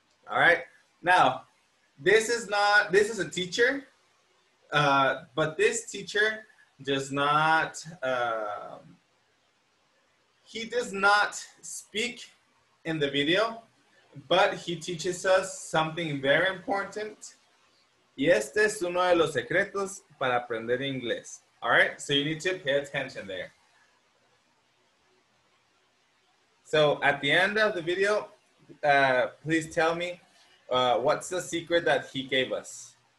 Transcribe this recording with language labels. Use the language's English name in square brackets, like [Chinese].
[English] All right, now. This is a teacher, but this teacher does not speak in the video, but he teaches us something very important. [Spanish] Y este es uno de los secretos para aprender inglés. [English] All right, so you need to pay attention there. So at the end of the video, please tell me, what's the secret that he gave us?